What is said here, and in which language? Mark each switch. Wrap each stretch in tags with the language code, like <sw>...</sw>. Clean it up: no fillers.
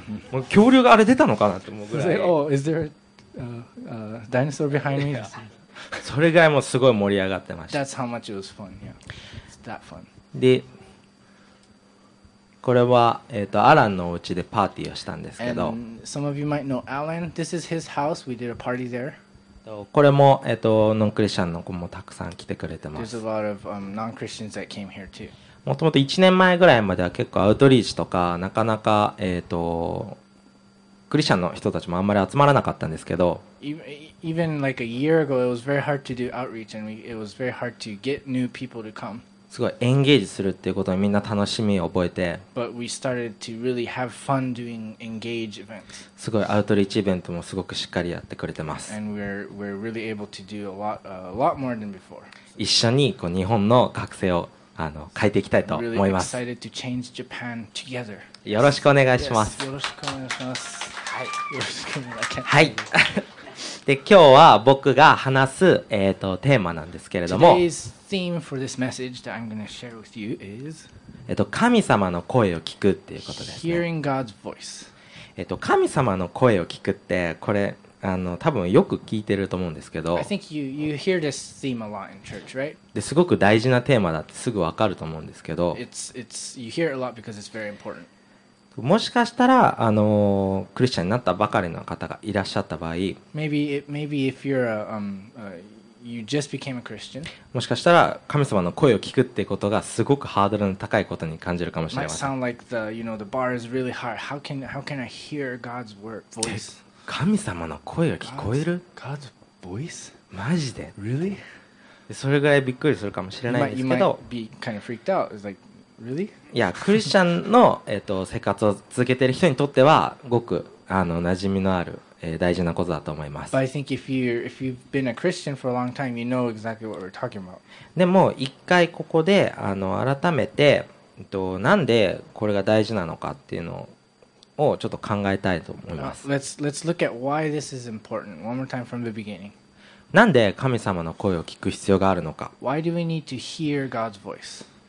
<ja>もう恐竜があれ出たのかなって思うぐらい。</ja> <en>Like, oh, is there a dinosaur behind me?</en> <ja>それぐらいもすごい盛り上がってました。</ja> <en>That's how much it was fun. Yeah, it's that fun.</en> <ja>で、これはアランのお家でパーティーをしたんですけど。</ja> <en>And some of you might know Alan. This is his house. We did a party there.</en> <ja>これも、ノンクリスチャンの子もたくさん来てくれてます。</ja> <en>There's a lot of non-Christians that came here too.</en> <ja>もともと1年前ぐらいまでは結構アウトリーチとかなかなかクリスチャンの人たちもあんまり集まらなかったんですけど、</ja> <en>even like a year ago it was very hard to do outreach and it was very hard to get new people to come。</en> <ja>すごいエンゲージするっていうことにみんな楽しみを覚えて。</ja> <en>But we started to really have fun doing engage events.</en> <ja>すごいアウトリーチイベントもすごくしっかりやってくれてます。</ja> <en>And we're really able to do a lot more than before.</en> <ja>一緒にこう日本の学生を変えていきたいと思います。</ja> <en>Really excited to change Japan together.</en> <ja>よろしくお願いします。 Yes, よろしくお願いします。はい。よろしくお願いします。はい。で今日は僕が話す、テーマなんですけれども、</ja> <en>Today's theme for this message that I'm going to share with you is</en> <ja>神様の声を聞くっていうことですね。</ja> <en>Hearing God's voice。</en> <ja>神様の声を聞くってこれ多分よく聞いてると思うんですけど、</ja> <en>I think you hear this theme a lot in church, right?</en> <ja>ですごく大事なテーマだってすぐ分かると思うんですけど、</ja> <en>It's you hear it a lot because it's very important.</en> <ja>もしかしたらクリスチャンになったばかりの方がいらっしゃった場合、</ja> <en>maybe if you're a you just became a Christian、</en> <ja>もしかしたら神様の声を聞くっていうことがすごくハードルの高いことに感じるかもしれません。</ja> <en>Might sound like the you know the bar is really high. How can I hear God's word voice?</en> <ja>神様の声が聞こえる</ja> <en>？God's voice?</en> <ja>マジで</ja> <en>？Really?</en> <ja>それぐらいびっくりするかもしれないですけど、</ja> <en>you might be kind of freaked out. It's like,Really?</en> <ja>いやクリスチャンの生活を続けている人にとってはごく馴染みのある、大事なことだと思います。</ja> <en>But I think if you've been a Christian for a long time, you know exactly what we're talking about.</en> <ja>でも一回ここで改めてなんでこれが大事なのかっていうのをちょっと考えたいと思います。</ja> <en>Let's look at why this is important one more time from the beginning.</en> <ja>なんで神様の声を聞く必要があるのか。</ja> <en>Why do we need to hear God's voice?</en>